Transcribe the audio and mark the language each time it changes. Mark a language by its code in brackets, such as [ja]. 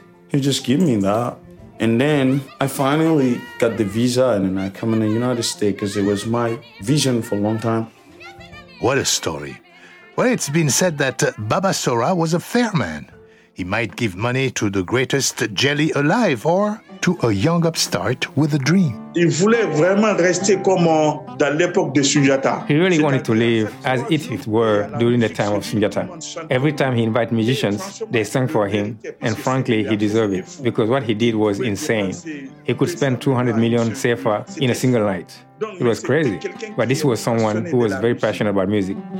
[en] He just give me that. And then I finally got the visa and then I come in the United States because it was my vision for a long time. What a story. Well, it's been said that Baba Sora was a fair man. He might give money to the greatest jelly alive or to a young upstart with a dream. [fr] Il voulait vraiment rester comme dans l'époque de Sujata. [en] He really wanted to live as if it were during the time of Sujata. Every time he invited musicians, they sang for him, and frankly, he deserved it, because what he did was insane. He could spend 200 million sefa in a single night. It was crazy, but this was someone who was very passionate about music.